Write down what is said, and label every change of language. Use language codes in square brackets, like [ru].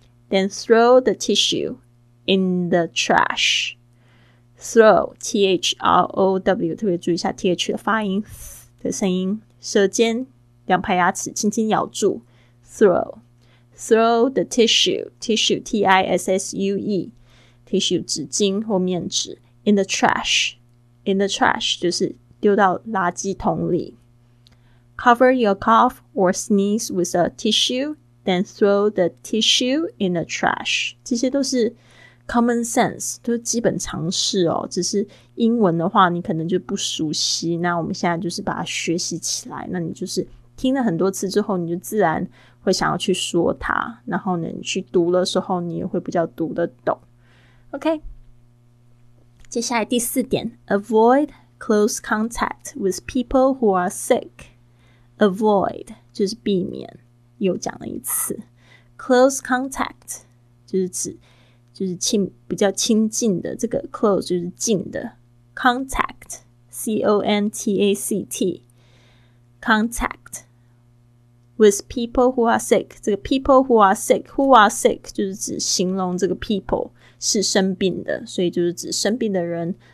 [en] Then throw the tissue in the trashthrow, [zh] T-H-R-O-W, 特别注意一下 TH 的发音的声音，舌尖两排牙齿轻轻咬住 [en] throw the tissue, [zh] T-I-S-S-U-E, tissue 纸巾或面纸 [en] in the trash [zh] 就是丢到垃圾桶里。 [en] Cover your cough or sneeze with a tissue, then throw the tissue in the trash. [zh] 这些都是Common sense, 都是基本常识哦，只是英文的话你可能就不熟悉，那我们现在就是把它学习起来，那你就是听了很多次之后你就自然会想要去说它，然后呢你去读的时候你也会比较读得懂。 [en] OK, [zh] 接下来第四点， [en] Avoid close contact with people who are sick. [zh] avoid 就是避免，又讲了一次 close contact 就是指就是亲比较亲近的，这个 close 就是近的 contact C-O-N-T-A-C-T [en] contact with people who are sick， [zh] 这个 people who are sick， who are sick 就是指形容这个 people 是生病的，所以就是指生病的人。